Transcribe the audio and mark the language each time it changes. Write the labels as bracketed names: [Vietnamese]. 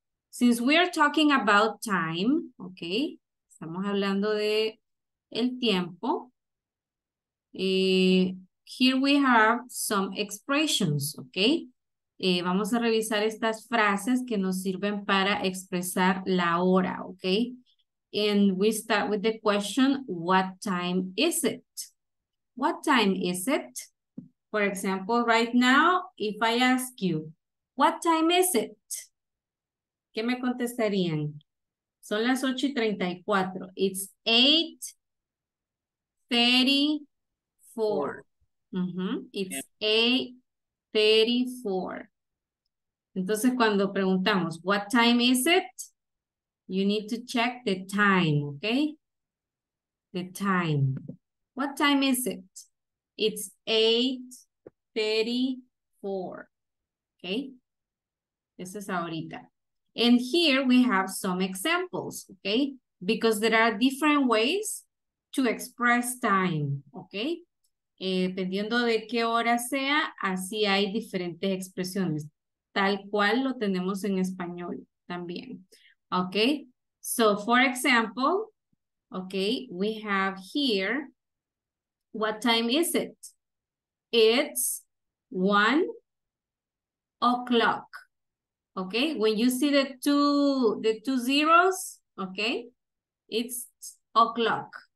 [English] Since we are talking about time, okay, [Spanish] estamos hablando de el tiempo. [English] Here we have some expressions, okay. [Spanish] Vamos a revisar estas frases que nos sirven para expresar la hora, okay. [English] And we start with the question, what time is it? What time is it? For example, right now, if I ask you, what time is it? [Spanish] ¿Qué me contestarían? Son las 8:34. [English] It's 8:34. Mm-hmm. It's 8:34. [Spanish] Entonces, cuando preguntamos, [English] what time is it? You need to check the time, okay? The time. What time is it? It's 8:34. Okay. This is ahorita. And here we have some examples. Okay. Because there are different ways to express time. Okay. [Spanish] Dependiendo de qué hora sea, así hay diferentes expresiones. Tal cual lo tenemos en español también. Okay. [English] So, for example, okay, we have here, what time is it? It's 1 o'clock. Okay, when you see the two zeros, okay, it's o'clock.